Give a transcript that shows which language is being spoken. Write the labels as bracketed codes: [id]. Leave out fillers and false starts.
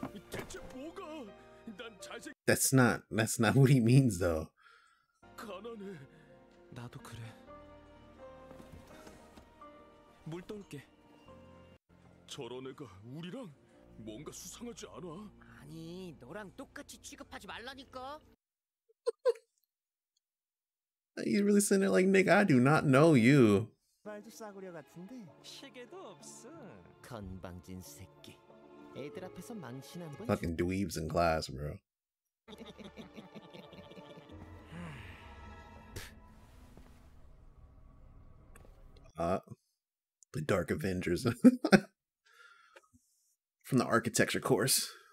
[ko] 대체 뭐가? [en] That's not what he means though. [ko] 가난해. 나도 그래. 물 떠올게. 저런 애가 우리랑 뭔가 수상하지 않아? 아니, 너랑 똑같이 취급하지 말라니까. [en] He's really sitting there like, nigga, I do not know you. [ko] 말도 싸구려 같은데. 시계도 없어. 건방진 새끼. 애들 앞에서 망신한 거야. [en] Fucking dweebs in class, bro. 아. The Dark Avengers. From the architecture course.